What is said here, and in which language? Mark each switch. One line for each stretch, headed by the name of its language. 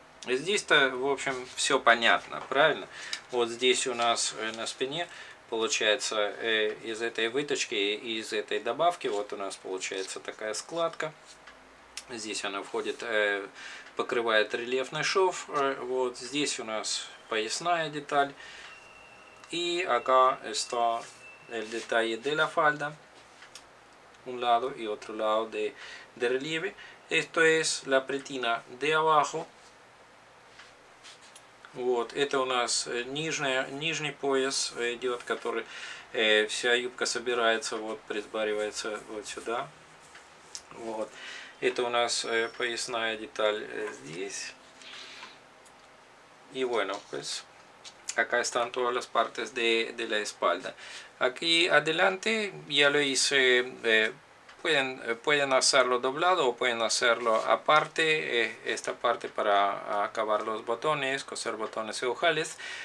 Russian: Здесь-то, в общем, все понятно, правильно? Вот здесь у нас на спине получается из этой выточки и из этой добавки вот у нас получается такая складка. Здесь она входит, покрывает рельефный шов. Вот здесь у нас поясная деталь.
Spanish: Y acá está el detalle de la falda, un lado y otro lado de relieve. Esto es la pretina de abajo.
Russian: Вот, это у нас нижний пояс идет, который вся юбка собирается, вот, присбаривается вот сюда. Вот, это у нас поясная деталь здесь. И
Spanish: bueno, pues. Acá están todas las partes de la espalda. Aquí adelante ya lo hice. Pueden hacerlo doblado o pueden hacerlo aparte. Esta parte para acabar los botones, coser botones y ojales.